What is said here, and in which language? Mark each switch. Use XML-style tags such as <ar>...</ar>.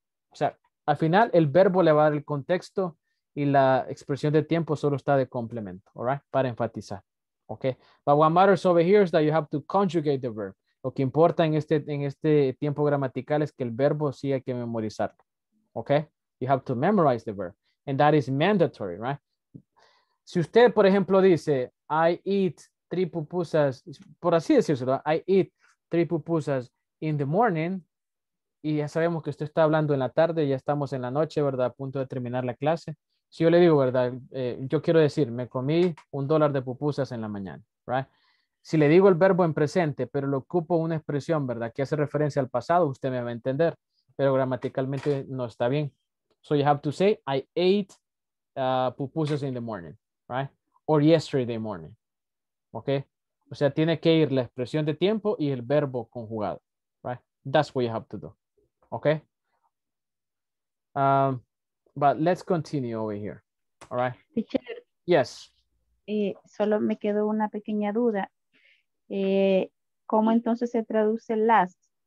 <es>O sea, al final, el verbo le va a dar el contexto y la expresión de tiempo solo está de complemento,</es> <en>all right?</en> <es>Para enfatizar, okay?</es> <en>But what matters over here is that you have to conjugate the verb.</en> <es>Lo que importa en este tiempo gramatical es que el verbo sí hay que memorizarlo, okay?</es> <en>You have to memorize the verb, and that is mandatory, right?</en> <es>Si usted, por ejemplo, dice,</es> <en>I eat 3 pupusas,</en> <es>por así decirlo, ¿no?</es> <en>I eat 3 pupusas in the morning,</en> <es>y ya sabemos que usted está hablando en la tarde, ya estamos en la noche, ¿verdad? A punto de terminar la clase. Si yo le digo, ¿verdad? Yo quiero decir, me comí $1 de pupusas en la mañana,</es> <en>right?</en> <es>Si le digo el verbo en presente, pero lo ocupo una expresión, ¿verdad? Que hace referencia al pasado, usted me va a entender, pero gramaticalmente no está bien.</es> <en>So you have to say, I ate pupusas in the morning, right? Or yesterday morning, okay?</en> <es>O sea, tiene que ir la expresión de tiempo y el verbo conjugado.</es> <en>That's what you have to do, okay? But let's continue over here, all right? Teacher. Yes.</en> <es>Solo me quedó una pequeña duda. ¿Cómo entonces se traduce last?</es>